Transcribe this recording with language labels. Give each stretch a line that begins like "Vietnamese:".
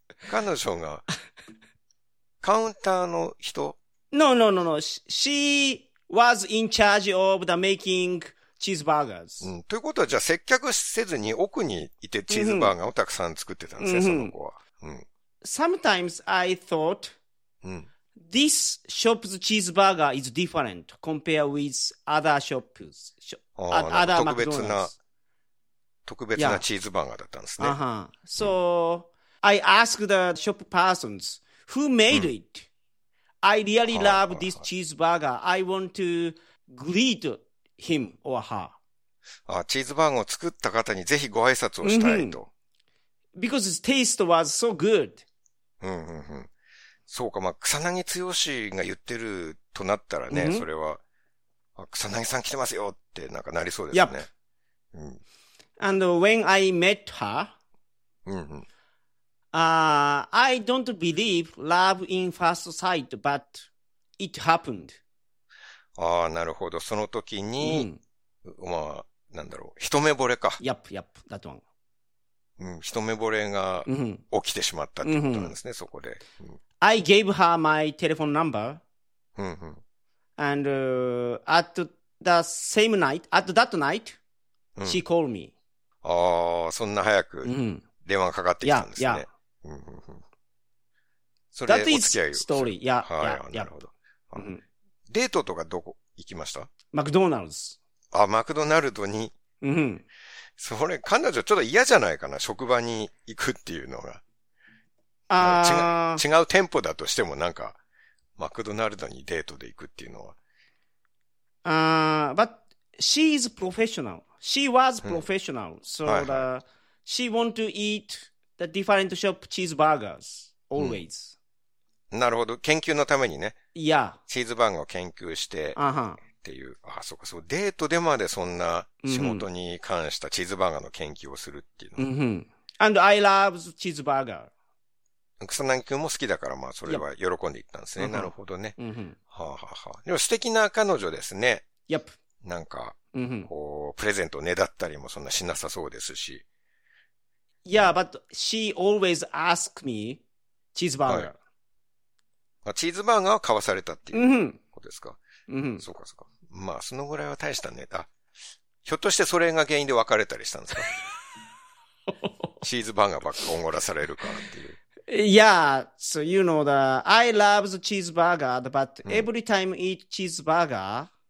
Japanese: 彼女が、カウンターの人？
English: No, no, no, no. She was in charge of the making... Cheeseburgers.
Japanese: うん、ということはじゃあ接客せずに奥にいてチーズバーガーをたくさん作ってたんですね、mm-hmm. その子は、うん、
English: Sometimes I thought、
Japanese: うん、
English: This shop's cheeseburger is different compared with other shops
Japanese: other 特別なチーズバーガーだったんですね、 uh-huh.
English: So、うん、I asked the shop persons Who made it?、うん、I really love this cheeseburger I want to greet itHim or her.
Japanese: あ、チーズバーガーを作った方にぜひご挨拶をしたいと。
English: Mm-hmm. Because his taste was so good.
Japanese: うんうんうん。そうか、まあ、草薙剛が言ってるとなったらね、うん、それは、草薙さん来てますよってなんかなりそうですね。 Yep. うん、
English: And when I met her,、
Japanese: うんうん
English: I don't believe love in first sight, but it happened.
Japanese: ああ、なるほど。その時に、うん、まあ、なんだろう。一目惚れか。
English: Yep, yep, that one.
Japanese: うん、一目惚れが起きてしまったってことなんですね、うん、そこで、
English: うん。I gave her my telephone number.
Japanese: うんうん。
English: And, at the same night, at that night,、うん、she called me.
Japanese: ああ、そんな早く電話がかかってきたんですね。うん、それお付き合いを。
English: That is story. Yeah, yeah, yeah.
Japanese: なるほど。デートとかどこ行きました？マクドナルド。あ、マクドナルドに。うん。それ、彼女ちょっと嫌じゃないかな、職場に行くっていうのが。違う店舗だとしてもなんか、マクドナルドにデートで行くっていうのは。
English: But she is professional. She was professional.、うん、so that、はい、she want to eat the different shop cheeseburgers, always.、うん、
Japanese: なるほど。研究のためにね。いや。チーズバーガーを研究して、っていう。Uh-huh. あ、そうか、そう。デートでまでそんな仕事に関したチーズバーガーの研究をするっていうの。
English: うん。And I love cheeseburger.
Japanese: 草薙くんも好きだから、まあ、それは喜んでいったんですね。Yep. なるほどね。はあ、ははあ、でも素敵な彼女ですね。
English: Yep.
Japanese: なんか、こう、プレゼントをねだったりもそんなしなさそうですし。
English: Yeah, but she always ask me cheeseburger.、はい、
Japanese: チーズバーガーを買わされたっていうことですか、うんうん、そうかそうか。まあ、そのぐらいは大したね。あ、ひょっとしてそれが原因で別れたりしたんですかチーズバーガーばっかおごらされるかっていう。
English: Yeah, so you know that I love the cheeseburger, but every time I eat cheeseburger,、